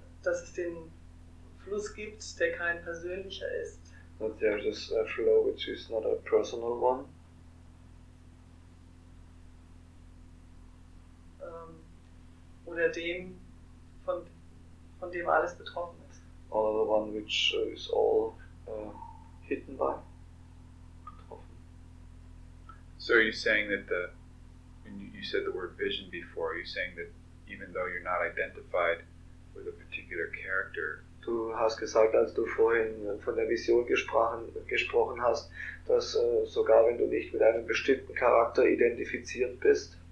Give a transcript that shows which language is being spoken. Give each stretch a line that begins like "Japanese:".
German: Dass es den Fluss gibt, der kein persönlicher ist.
English: That there is a flow which is not a personal one.
German: Oder dem, von dem alles betroffen ist.
English: Or the one which is all hidden by. So are you saying that you said the word vision before, are you saying that even though you're not identified with a particular character?
German: Du hast gesagt, als du vorhin von der Vision gesprochen hast, dass sogar wenn du nicht mit einem bestimmten Charakter identifiziert bist,